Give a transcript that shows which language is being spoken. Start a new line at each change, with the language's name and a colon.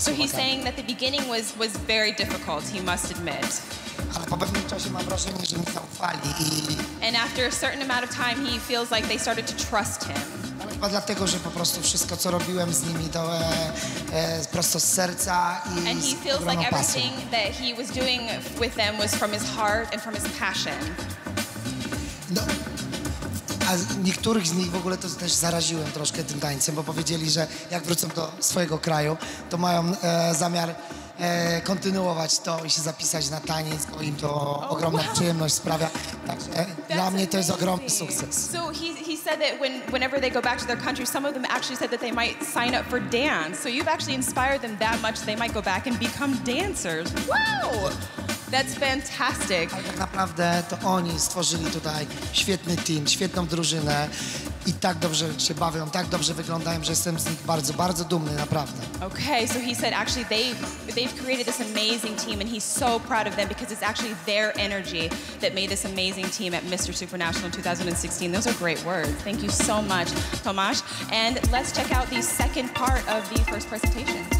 English: So he's saying that the beginning was very difficult, he must admit.
Polish: Ale po pewnym czasie mam wrażenie, że mi zaufali.
English: And after a certain amount of time, he feels like they started to trust him.
Polish: Ale chyba dlatego, że po prostu wszystko, co robiłem z nimi, to prosto z serca i
English: And he feels like everything that he was doing with them was from his heart and from his passion.
Polish: No. A niektórych z nich w ogóle to też zaraziłem troszkę tym tańcem, bo powiedzieli, że jak wrócą do swojego kraju, to mają zamiar kontynuować to i się zapisać na taniec, bo im to ogromną przyjemność sprawia. Także dla mnie to jest ogromny sukces.
English: So he said that whenever they go back to their country, some of them actually said that they might sign up for dance. So you've actually inspired them that much, they might go back and become dancers. Wow! That's fantastic.
Polish: Ale tak naprawdę to oni stworzyli tutaj świetny team, świetną drużynę i tak dobrze się bawią, tak dobrze wyglądają, że jestem z nich bardzo, bardzo dumny, naprawdę.
English: Okay, so he said actually they've created this amazing team and he's so proud of them because it's actually their energy that made this amazing team at Mr. Supernational 2016. Those are great words. Thank you so much, Tomasz. And let's check out the second part of the first presentation.